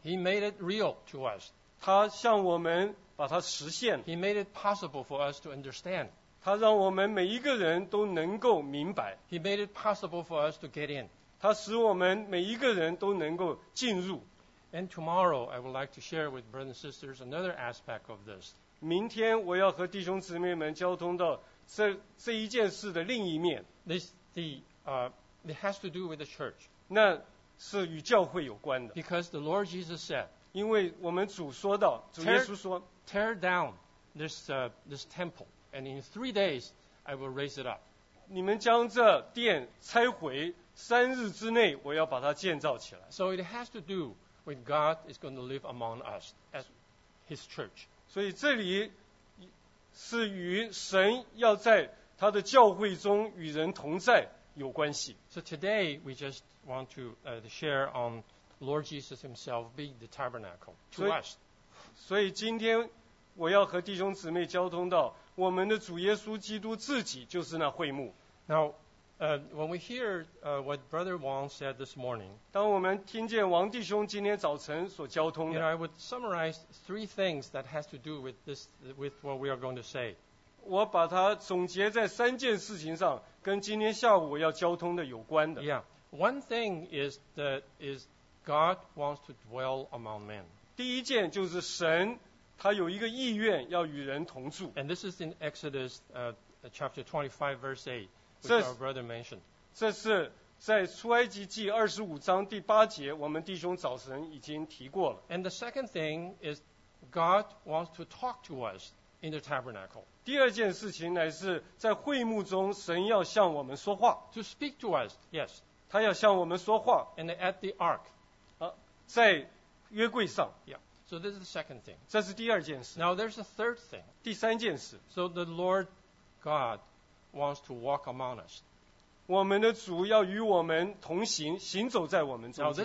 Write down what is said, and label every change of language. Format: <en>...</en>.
<en>He made it real to us.</en> <zh>他向我们把它实现。</zh> <en>He made it possible for us to understand.</en> <zh>他让我们每一个人都能够明白。</zh> <en>He made it possible for us to get in.</en> <zh>他使我们每一个人都能够进入。</zh> <en>And tomorrow, I would like to share with brothers and sisters another aspect of this.</en> <zh>明天我要和弟兄姊妹们交通到这一件事的另一面。</zh> <en>It has to do with the church.</en> <zh>那是与教会有关的。</zh> <en>Because the Lord Jesus said,</en> <zh>因为我们主说到，主耶稣说，</zh> <en>Tear down this temple, and in 3 days I will raise it up.</en> <zh>你们将这殿拆毁，三日之内我要把它建造起来。</zh> <en>So it has to do with God is going to live among us as His church.</en> <zh>所以这里是与神要在他的教会中与人同在有关系。</zh> <en>So today we just want to share on Lord Jesus Himself being the tabernacle to us.</en> <zh>所以今天我要和弟兄姊妹交通到我们的主耶稣基督自己就是那会幕。</zh> <en>Now, when we hear what Brother Wang said this morning,</en> <zh>当我们听见王弟兄今天早晨所交通的</zh> <en>you know, I would summarize three things that has to do with this, with what we are going to say.</en> <zh>我把它总结在三件事情上跟今天下午我要交通的有关的。</zh> <en>Yeah, one thing is that is God wants to dwell among men.</en> <zh>第一件就是神他有一个意愿要与人同住。</zh> <en>And this is in Exodus chapter 25 verse 8, which our brother mentioned.</en> <zh>这是在出埃及记二十五章第八节，我们弟兄早晨已经提过了。</zh> <en>And the second thing is God wants to talk to us in the tabernacle.</en> <zh>第二件事情乃是在会幕中神要向我们说话。</zh> <en>To speak to us, yes.</en> <zh>他要向我们说话。</zh> <en>And at the ark.</en> <zh>在约柜上。</zh> <en>Yeah. So this is the second thing.</en> <zh>这是第二件事。</zh> <en>Now there's a third thing.</en> <zh>第三件事。</zh> <en>So the Lord God wants to walk among us.</en> <zh>我们的主要与我们同行，行走在我们中间。</zh>